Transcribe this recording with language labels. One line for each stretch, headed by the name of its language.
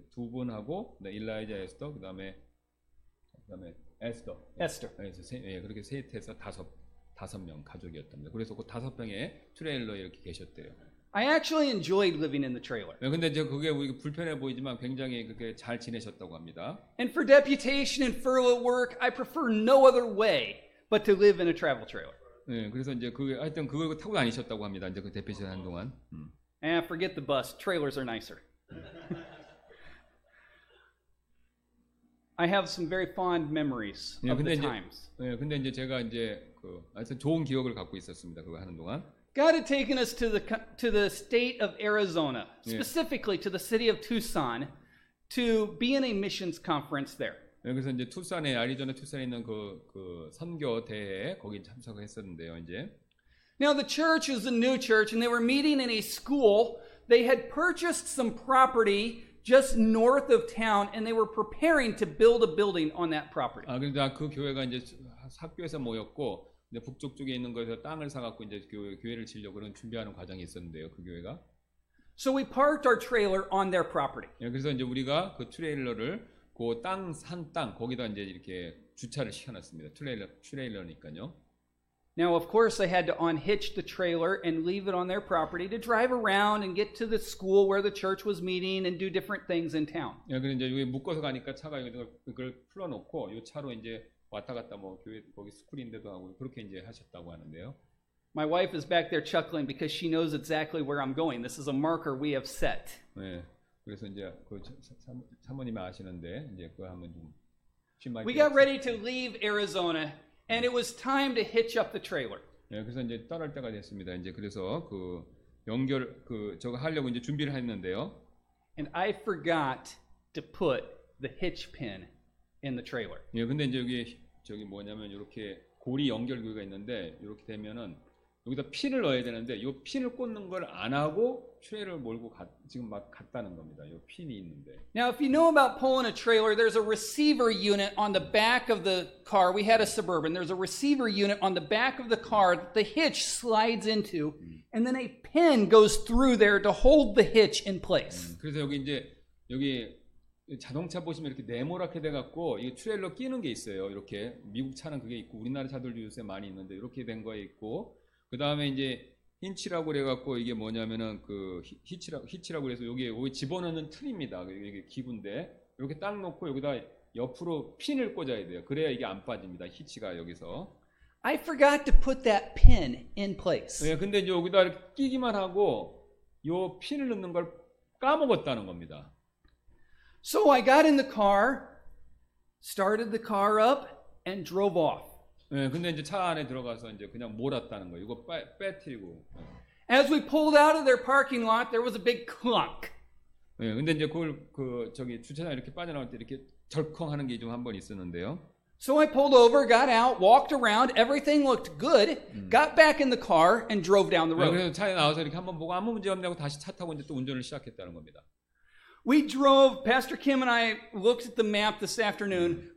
Korean: 두 분하고 네, 일라이자, 에스터, 그다음에 에스터. 에스터. 그래서 세, 예, 그렇게 셋에서 다섯 명 가족이었답니다. 그래서 그 5명의 트레일러에 이렇게 계셨대요.
English: I actually enjoyed living in the trailer.
Korean: 네, 근데 이제 그게 우리 불편해 보이지만 굉장히 그렇게 잘 지내셨다고 합니다.
English: And for deputation and furlough work, I prefer no other way but to live in a travel trailer.
Korean: 네, 그래서 이제 그게 하여튼 그걸 타고 다니셨다고 합니다. 이제 그 대피전 한 동안.
English: And forget the bus. Trailers are nicer. I have some very fond memories of the times.
Korean: 네, 근데 이제 제가 이제 그 하여튼 좋은 기억을 갖고 있었습니다. 그거 하는 동안.
English: God had taken us to the state of Arizona, specifically to the city of Tucson, to be in a missions conference there.
Korean: 그래서 이제 투싼에 애리조나 투싼에 있는 그 선교 대회에 거기 참석했었는데요, 이제.
English: Now the church is a new church, and they were meeting in a school. They had purchased some property just north of town, and they were preparing to build a building on that property.
Korean: 아, 근데 그 교회가 이제 학교에서 모였고. 근데 북쪽 쪽에 있는 곳에서 땅을 사갖고 이제 교회를 지려고 그런 준비하는 과정이 있었는데요, 그 교회가.
English: So we parked our trailer on their property.
Korean: 예, 그래서 이제 우리가 그 트레일러를 그 땅 산 땅 거기다 이제 이렇게 주차를 시켜놨습니다. 트레일러니까요.
English: Now of course I had to unhitch the trailer and leave it on their property to drive around and get to the school where the church was meeting and do different things in town.
Korean: 예, 그래서 이제 여기 묶어서 가니까 차가 이걸 풀어놓고 이 차로 이제. 왔다 갔다 뭐 교회 거기 스쿨인데도 하고 그렇게 이제 하셨다고 하는데요.
English: My wife is back there chuckling because she knows exactly where I'm going. This is a marker we have set.
Korean: 네, 그래서 이제 그 사모님이 아시는데 이제 그 한번 좀.
English: We got ready to leave Arizona, and it was time to hitch up the trailer.
Korean: 네, 그래서 이제 떠날 때가 됐습니다. 이제 그래서 그 연결 그 저거 하려고 이제 준비를 했는데요.
English: And I forgot to put the hitch pin. In the trailer.
Korean: 예, 근데 이제 여기 저기 뭐냐면 이렇게 고리 연결구가 있는데 이렇게 되면은 여기다 핀을 넣어야 되는데 이 핀을 꽂는 걸 안 하고 트레일러를 몰고 지금 막 갔다는 겁니다. 이 핀이 있는데.
English: Now, if you know about pulling a trailer, there's a receiver unit on the back of the car. We had a Suburban. There's a receiver unit on the back of the car that the hitch slides into, and then a pin goes through there to hold the hitch in place.
Korean: 그래서 여기 이제 여기 자동차 보시면 이렇게 네모랗게 돼갖고 이 트레일러 끼는 게 있어요. 이렇게 미국 차는 그게 있고 우리나라 차들도 요새 많이 있는데 이렇게 된 거에 있고 그 다음에 이제 힌치라고 그래갖고 이게 뭐냐면은 그 히치라고 그래서 여기에 집어넣는 틀입니다. 이게 기부인데 이렇게 딱 놓고 여기다 옆으로 핀을 꽂아야 돼요. 그래야 이게 안 빠집니다. 히치가 여기서.
English: I forgot to put that pin in place.
Korean: 네, 근데 이제 여기다 이렇게 끼기만 하고 이 핀을 넣는 걸 까먹었다는 겁니다.
English: So I got in the car, started the car up, and drove off.
Korean: 네, 근데 이제 차 안에 들어가서 이제 그냥 몰았다는 거. 이거 빼뜨리고.
English: As we pulled out of their parking lot, there was a big clunk.
Korean: 네, 근데 이제 그걸 그 저기 주차장 이렇게 빠져나올 때 이렇게 절컹하는 게 좀 한 번 있었는데요.
English: So I pulled over, got out, walked around. Everything looked good. Got back in the car and drove down the road.
Korean: 네, 그래서 차에 나와서 이렇게 한번 보고 아무 문제 없냐고 다시 차 타고 이제 또 운전을 시작했다는 겁니다.
English: We drove, Pastor Kim and I looked at the map this afternoon.